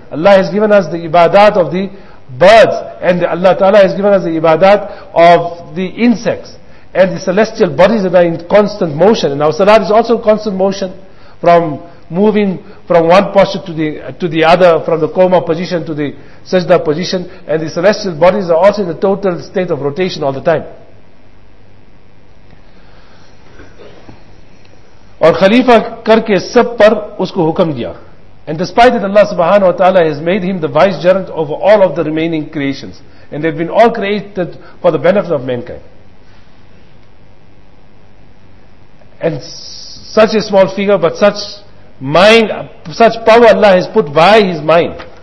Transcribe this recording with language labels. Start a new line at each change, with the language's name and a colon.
English: Allah has given us the ibadat of the birds, and Allah ta'ala has given us the ibadat of the insects, and the celestial bodies that are in constant motion. And our salat is also constant motion, from moving from one posture to the other, from the coma position to the sajda position, and the celestial bodies are also in a total state of rotation all the time.
Urdu: اور خلیفہ کر کے سب پر اس کو حکم دیا.
English: And despite that Allah subhanahu wa ta'ala has made him the vicegerent over all of the remaining creations, and they've been all created for the benefit of mankind. And such a small figure, but such mind, such power Allah has put by his mind.